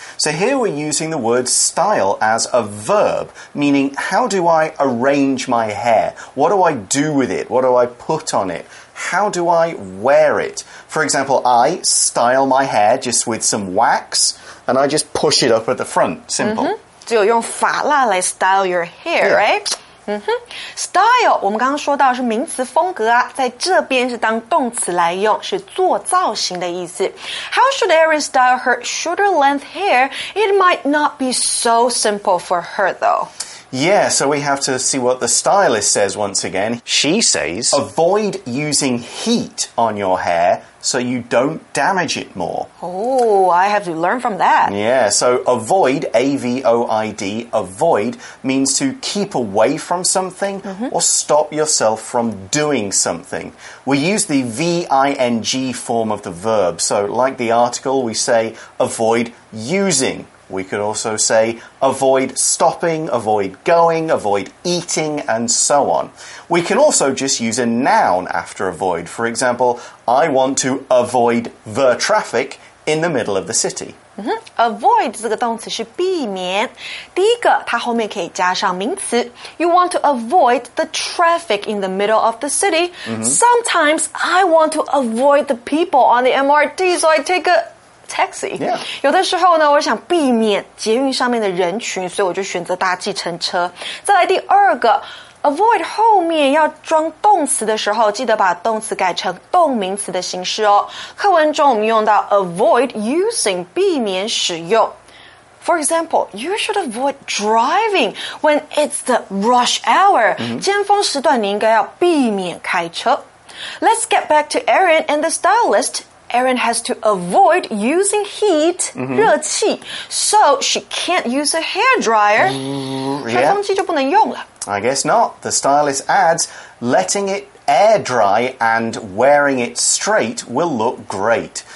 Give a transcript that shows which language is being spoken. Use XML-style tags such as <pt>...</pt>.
<en>So here we're using the word style as a verb, meaning how do I arrange my hair? What do I do with it? What do I put on it? How do I wear it? For example, I style my hair just with some wax and I just push it up at the front. Simple.</en> <zh>Mm-hmm. 只有用发蜡来</zh> <en>style your hair, right?</en> <zh>Style, 我们刚刚说到是名词风格啊，在这边是当动词来用，是做造型的意思。</zh> <en>How should Erin style her shorter length hair? It might not be so simple for her, though. Yeah, so we have to see what the stylist says once again. She says, avoid using heat on your hair. So you don't damage it more. Oh, I have to learn from that. Yeah, so avoid, A-V-O-I-D, avoid, means to keep away from something、 mm-hmm. or stop yourself from doing something. We use the V-I-N-G form of the verb. So like the article, we say avoid using. We could also say avoid stopping, avoid going, avoid eating, and so on. We can also just use a noun after avoid. For example, I want to avoid the traffic in the middle of the city.</en> <zh>Avoid 这个动词是避免。第一个，它后面可以加上名词。</zh> <en>You want to avoid the traffic in the middle of the city.、 Mm-hmm. Sometimes I want to avoid the people on the MRT, so I take a taxi. Yeah.</en> <zh>有的时候呢，我想避免捷运上面的人群，所以我就选择搭计程车。再来第二个。 Avoid 后面要装动词的时候，记得把动词改成动名词的形式哦。课文中我们用到 avoid using, 避免使用。</zh> <en>For example, you should avoid driving when it's the rush hour.</en> <zh>尖峰时段你应该要避免开车。</zh> <en>Let's get back to Erin and the stylist. Erin has to avoid using heat, 热气, so she can't use a hairdryer. Yeah.</en> <zh>吹风机就不能用了。</zh> <en>I guess not. The stylist adds, letting it air dry and wearing it straight will look great.</en>